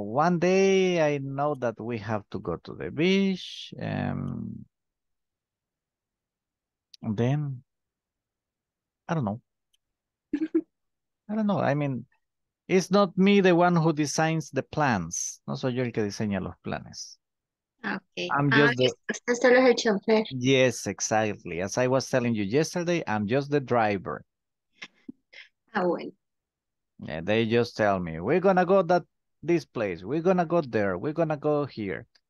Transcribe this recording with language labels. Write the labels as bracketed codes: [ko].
[en] One day I know that we have to go to the beach. Then I don't know. I don't know. I mean, it's not me the one who designs the plans. [es] No soy yo el que diseña los planes. [en] Okay. I'm Ah, just the. [es] esto solo es el chofer. [en] Yes, exactly. As I was telling you yesterday, I'm just the driver. [es] Ah, bueno. [en] Yeah, they just tell me, we're gonna go that this place, we're gonna go there, we're gonna go here.